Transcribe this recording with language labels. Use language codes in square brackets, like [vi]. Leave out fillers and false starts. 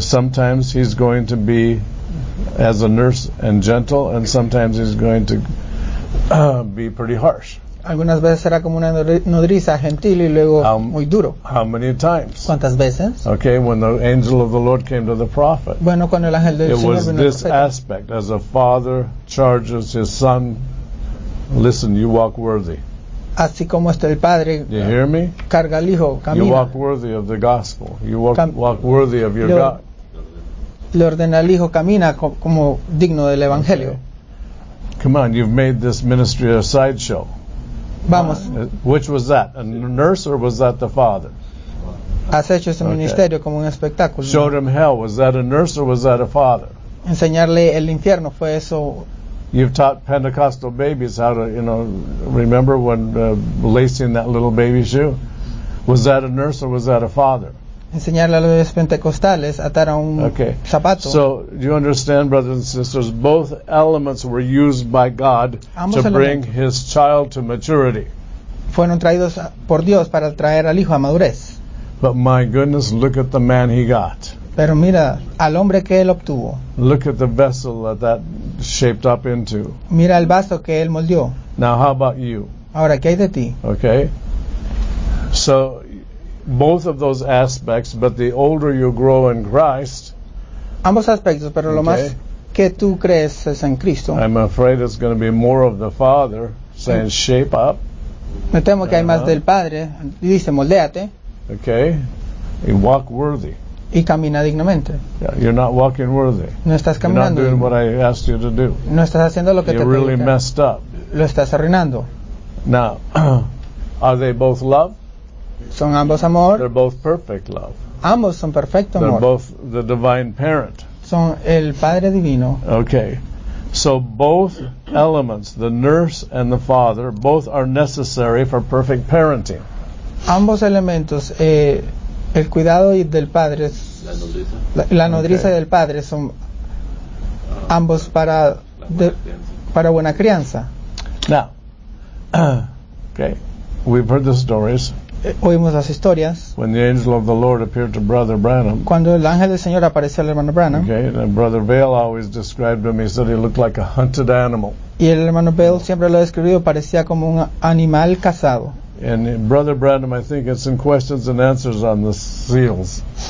[en] Sometimes he's going to be as a nurse and gentle, and sometimes he's going to be pretty harsh. [es] Algunas veces será como una nodriza gentil y luego muy duro. [en] How many times? [es] ¿Cuántas veces? [en] Okay, when the angel of the Lord came to the prophet. [es] Bueno, cuando el ángel del Señor vino al profeta. [en] It was this aspect, as a father charges his son, listen, you walk worthy. [es] Así como está el padre. [en] Do you hear me? [es] Carga al hijo, camina. [en] You walk worthy of the gospel. You walk worthy of your God. [es] Le ordena al hijo, camina como digno del evangelio. Okay. [en] Come on, you've made this ministry a sideshow. [es] Vamos. [en] Which was that? A nurse or was that the father? [es] Has hecho ese ministerio okay. como un espectáculo. [en] Showed him hell. Was that a nurse or was that a father? [es] Enseñarle el infierno fue eso. [en] You've taught Pentecostal babies how to, you know, remember when lacing that little baby shoe? Was that a nurse or was that a father? [es] Enseñarle a los pentecostales a atar a un okay. zapato. [en] So, do you understand, brothers and sisters, both elements were used by God [es] ambos [en] to bring his child to maturity. [es] Fueron traídos por Dios para traer al hijo a madurez. [en] But my goodness, look at the man he got. [es] Pero mira, al hombre que él obtuvo. [en] Look at the vessel that that shaped up into. [es] Mira el vaso que él moldeó. [en] Now, how about you? [es] Ahora, ¿qué hay de ti? Okay. [en] So, both of those aspects, but the older you grow in Christ, [es] ambos aspectos, pero lo más que tú crees es en Cristo. [en] I'm afraid it's going to be more of the Father saying, "Shape up." [es] Me temo que hay más del Padre. Dice, moldéate. [en] Okay, and walk worthy. [es] Y camina dignamente. [en] Yeah, you're not walking worthy. [es] No estás caminando. [en] You're not doing what I asked you to do. [es] No estás haciendo lo que [en] you're [es] te [en] really [es] pedí. [en] You're really messed up. [es] Lo estás arruinando. [en] Now, are they both love? [es] Son ambos amor. [en] They're both perfect love. [es] Ambos son perfecto amor. [en] They're both the divine parent. [es] Son el padre divino. Okay. [en] So both elements, the nurse and the father, both are necessary for perfect parenting. [es] Ambos elementos, el cuidado y del padre, la nodriza okay. y del padre son ambos para para buena crianza. [en] Now, okay, we've heard the stories. [es] oímos las historias. [en] When the angel of the Lord appeared to Brother Branham. [es] Cuando el ángel del Señor apareció al hermano Branham. [en] Okay, and Brother Bale always described him. He said he looked like a hunted animal. [es] Y el hermano Bale siempre lo ha descrito, parecía como un animal cazado. [en] And Brother Branham, I think it's in Questions and Answers on the Seals.